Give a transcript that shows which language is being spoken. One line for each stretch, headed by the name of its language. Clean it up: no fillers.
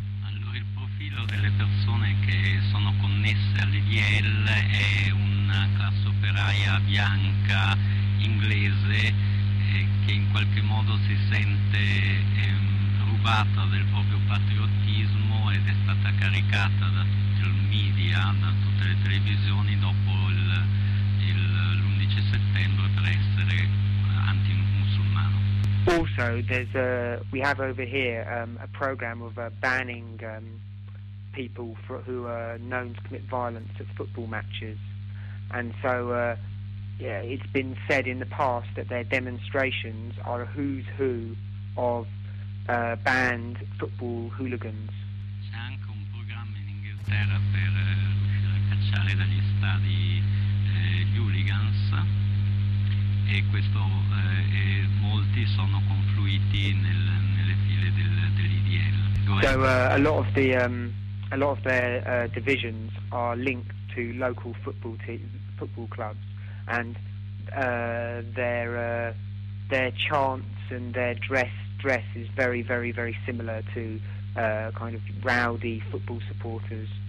Italian: Allora, il profilo delle persone che sono connesse all'IDL è una classe operaia bianca inglese che in qualche modo si sente rubata del proprio patriottismo ed è stata caricata da tutti i media, da tutte le televisioni dopo l'11 settembre per essere anti-musulmano.
English: Also, we have over here a program of banning people who are known to commit violence at football matches, and so it's been said in the past that their demonstrations are a who's who of banned football hooligans.
Italian: C'è anche un programma in Inghilterra per riuscire a cacciare dagli stadi gli hooligans, e questo e molti sono confluiti nelle file dell'IDL.
English: A lot of their divisions are linked to local football clubs, and their chants and their dress is very, very, very similar to kind of rowdy football supporters.